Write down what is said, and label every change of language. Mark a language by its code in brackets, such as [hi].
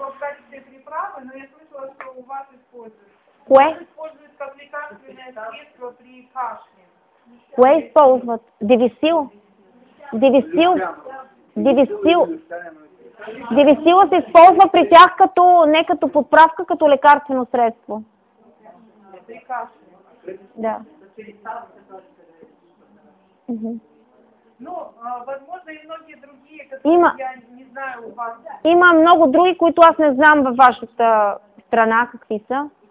[ru] Но я слышала, что у вас используют. [bg] Кое? [ru] Используют как лекарственное средство при кашле. Кое используют? Девисил? Девисил? [bg] Девисил се използва при тях като, не като подправка, като лекарствено средство. [ru] При кашле? Да. Ну, возможно, и многие другие, которые я не знаю у вас. [bg] Има много други, които аз не знам във вашата страна, какви са.